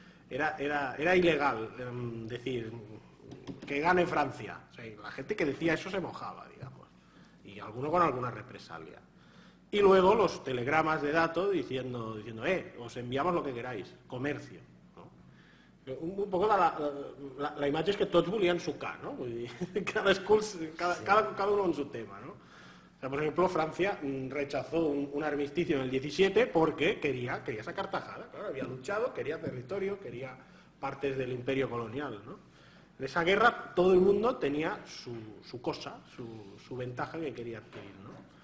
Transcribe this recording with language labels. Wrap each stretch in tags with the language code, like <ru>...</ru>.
<es>Era ilegal decir que gane Francia. O sea, la gente que decía eso se mojaba, digamos. Y alguno con alguna represalia. Y luego los telegramas de datos diciendo, os enviamos lo que queráis, comercio, ¿no? Un poco</es> <ca>la imatge és que tots volien sucar, ¿no? Vull dir,</ca> <es>cada uno en su tema, ¿no? O sea, por ejemplo, Francia rechazó un armisticio en el 17 porque quería sacar tajada, claro, había luchado, quería territorio, quería partes del imperio colonial, ¿no? En esa guerra todo el mundo tenía su cosa, su ventaja que quería adquirir, ¿no?</es>